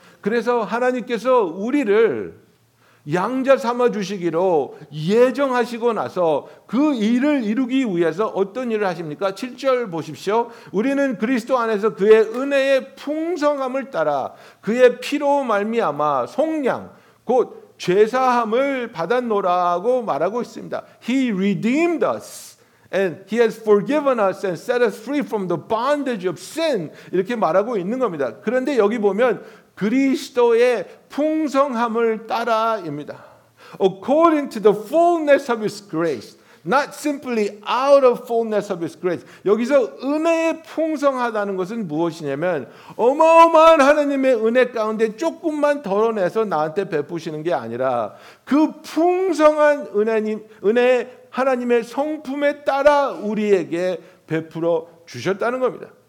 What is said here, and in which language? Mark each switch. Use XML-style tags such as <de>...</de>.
<ko>그래서 하나님께서 우리를 양자 삼아 주시기로 예정하시고 나서 그 일을 이루기 위해서 어떤 일을 하십니까? 7절 보십시오. 우리는 그리스도 안에서 그의 은혜의 풍성함을 따라 그의 피로 말미암아 속량 곧 죄사함을 받았노라고 말하고 있습니다.</ko> <en>He redeemed us and he has forgiven us and set us free from the bondage of sin</en> <ko>이렇게 말하고 있는 겁니다. 그런데 여기 보면 그리스도의 풍성함을 따라입니다.</ko> <en>According to the fullness of his grace, not simply out of fullness of his grace.</en> <ko>여기서 은혜의 풍성하다는 것은 무엇이냐면 어마어마한 하나님의 은혜 가운데 조금만 덜어내서 나한테 베푸시는 게 아니라 그 풍성한 은혜의 하나님의 성품에 따라 우리에게 베풀어 주셨다는 겁니다.</ko>